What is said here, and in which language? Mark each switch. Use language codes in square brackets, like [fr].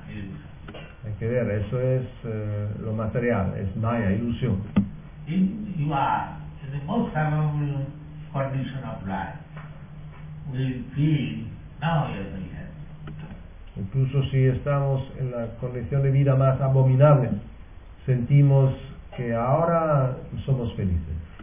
[es] hay que ver, eso es lo material, es maya, ilusión. [en] You are in the most favorable condition of life. We feel now you're in heaven. [es] Incluso si estamos en la condición de vida más abominable, sentimos que ahora somos felices.